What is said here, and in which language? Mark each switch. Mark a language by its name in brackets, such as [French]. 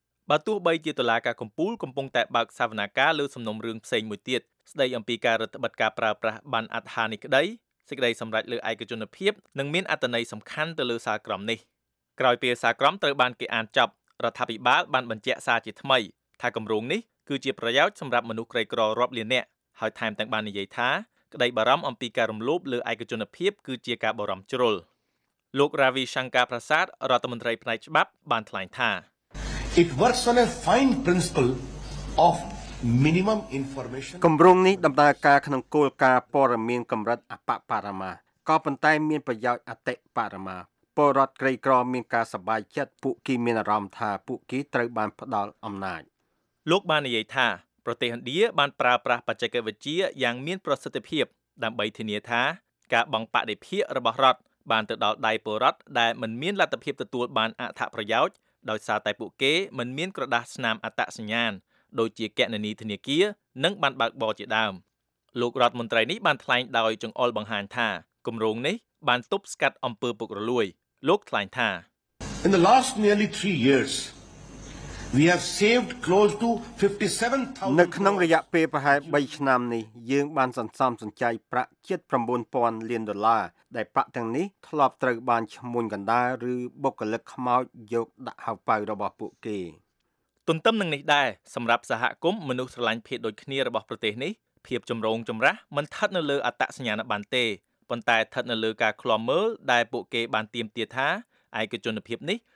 [Khmer] បើទោះបីជាតុលាការកំពូលកំពុងតែបើកសវនកម្មលើសំណុំរឿងផ្សេងមួយទៀតស្ដីអំពីការរដ្ឋបិទការប្រើប្រាស់បានអត្ថានេះក្ដីសេចក្ដីសម្រេចលើឯកជនភាពនឹងមានអត្ថន័យសំខាន់ទៅលើសារក្រមនេះក្រោយពីសារក្រមត្រូវបានគេអានចប់រដ្ឋាភិបាលបានបញ្ជាក់សារជាថ្មីថាគម្រោងនេះគឺជាប្រយោជន៍សម្រាប់មនុស្សក្រីក្ររាប់លាននាក់ហើយថែមទាំងបាននិយាយថាក្តីបារម្ភអំពីការរំលោភលើឯកជនភាពគឺជាការបារម្ភជ្រុលលោក Ravi Shankar Prasad រដ្ឋមន្ត្រីផ្នែកច្បាប់បានថ្លែងថា [English] It works on a fine principle of minimum information [Khmer] គម្រោងនេះដំណើរការក្នុងគោលការណ៍ព័ត៌មានកម្រិតអបបរមាក៏ប៉ុន្តែមានប្រយោជន៍អតិបរមាពលរដ្ឋក្រីក្រមានការសប្បាយចិត្តពួកគេមានអារម្មណ៍ថាពួកគេត្រូវបានផ្ដល់អំណាច លោកបាននិយាយថាប្រទេសឥណ្ឌាបានប្រើប្រាស់បច្ចេកវិទ្យាយ៉ាងមានប្រសិទ្ធភាពដើម្បីធានាថាការបង់ប្រាក់ដោយភាគរបស់រដ្ឋបានទៅដល់ដៃពលរដ្ឋដែលមិនមានលទ្ធភាពទទួលបានអត្ថប្រយោជន៍ដោយសារតែពួកគេមិនមានក្រដាសស្នាមអត្តសញ្ញាណដូចជាគណនីធនាគារនិងប័ណ្ណបើកបរជាដើមលោករដ្ឋមន្ត្រីនេះបានថ្លែងដោយចង្អុលបង្ហាញថាគម្រោងនេះបានទប់ស្កាត់អំពើពុករលួយលោកថ្លែងថា [English] In the last nearly 3 years we have saved close to 57,000 [Khmer] នៅក្នុងរយៈពេលប្រហែល3ឆ្នាំនេះយើងបានសន្សំសំចៃប្រាក់ជិត 9,000 លានដុល្លារដែលប្រាក់ទាំងនេះធ្លាប់ត្រូវបានឈ្មួញកណ្ដាលឬបុគ្គលិកខ្មោចយកដាក់ហៅប៉ៅរបស់ពួកគេ ទន្ទឹមនឹងនេះដែរសម្រាប់សហគមន៍មនុស្សស្រឡាញ់ភេទដូចគ្នារបស់ប្រទេសនេះភាពចម្រូងចម្រាសមិនថិតនៅលើអត្តសញ្ញាណបានទេប៉ុន្តែថិតនៅលើការឃ្លាំមើលដែលពួកគេបានទាមទារថាឯកជនភាពនេះ